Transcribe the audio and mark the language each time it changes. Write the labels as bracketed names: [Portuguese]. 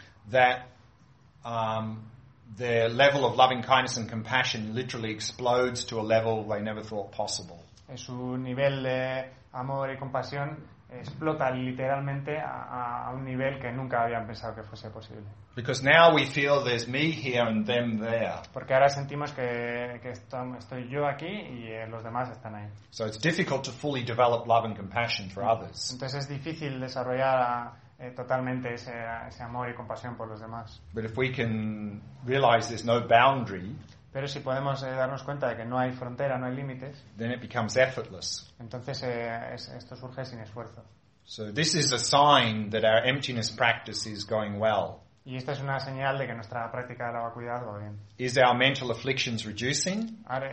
[English] that the level of loving kindness and compassion literally explodes to a level they never thought possible. [Spanish] Su nivel de amor y compasión explota literalmente a un nivel que nunca habían pensado que fuese posible. [English] Because now we feel there's me here and them there. [Spanish] Porque ahora sentimos que estoy yo aquí y los demás están ahí. [English] So it's difficult to fully develop love and compassion for others. [Spanish] Entonces es difícil desarrollar totalmente ese amor y compasión por los demás. [English] But if we can realize there's no boundary, [Spanish] pero si podemos darnos cuenta de que no hay frontera, no hay límites, [English] then it becomes effortless. [Spanish] Entonces esto surge sin esfuerzo. [English] So this is a sign that our emptiness practice is going well. [Spanish] Y esta es una señal de que nuestra práctica de la vacuidad va bien. [English] Is our mental afflictions reducing?